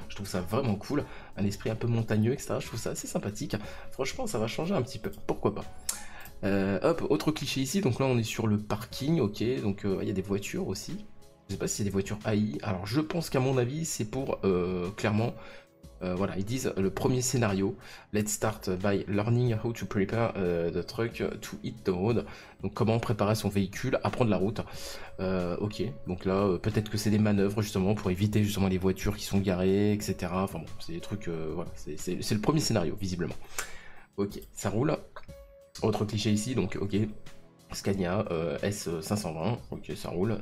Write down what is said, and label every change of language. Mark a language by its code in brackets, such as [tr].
[fr] Je trouve ça vraiment cool, un esprit un peu montagneux, etc. Je trouve ça assez sympathique. Franchement, ça va changer un petit peu, pourquoi pas. Hop, autre cliché ici, donc là on est sur le parking, ok, donc il y a des voitures aussi. Je sais pas si c'est des voitures AI. Alors je pense qu'à mon avis, c'est pour clairement. Voilà, ils disent le premier scénario. [en] Let's start by learning how to prepare the truck to hit the road. [fr] Donc, comment préparer son véhicule à prendre la route. Ok, donc là, peut-être que c'est des manœuvres justement pour éviter justement les voitures qui sont garées, etc. Enfin bon, c'est des trucs. Voilà, c'est le premier scénario, visiblement. Ok, ça roule. Autre cliché ici, donc, ok. Scania S520, ok, ça roule.